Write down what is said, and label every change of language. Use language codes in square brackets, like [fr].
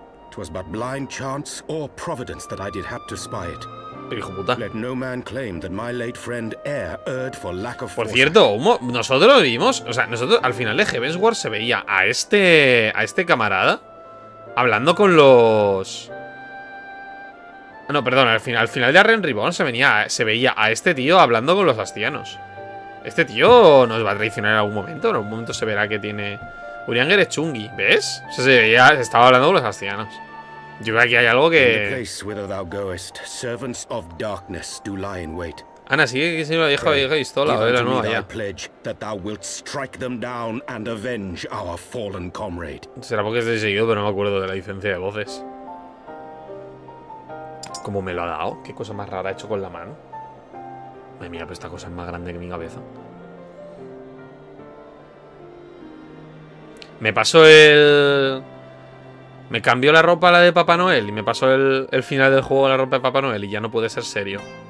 [en] 'Twas but blind chance or providence that I did hap to spy it. [es] Hijo puta. [en] Let no man claim that my late friend Air erred for lack of. [es] Por cierto, nosotros vimos, o sea, nosotros al final de Heavensward se veía a este camarada. Hablando con los... No, perdón, al final de Realm Reborn se veía a este tío hablando con los astianos. Este tío nos va a traicionar en algún momento. En algún momento se verá que tiene... Uriangere Chungi, ¿ves? O sea, se veía, estaba hablando con los astianos. Yo creo que hay algo que... [en] In the place whither thou goest, servants of darkness do lie in wait. [es] Ana, sí, que se me ha dejado la pistola, a ver la nueva ya. [en] Pledge that thou wilt strike them down and avenge our fallen comrade. [es] Será porque estoy seguido, pero no me acuerdo de la licencia de voces. ¿Cómo me lo ha dado? ¿Qué cosa más rara ha hecho con la mano? Madre mía, pero esta cosa es más grande que mi cabeza. Me pasó el... Me cambió la ropa a la de Papá Noel y me pasó el final del juego a la ropa de Papá Noel y ya no puede ser serio.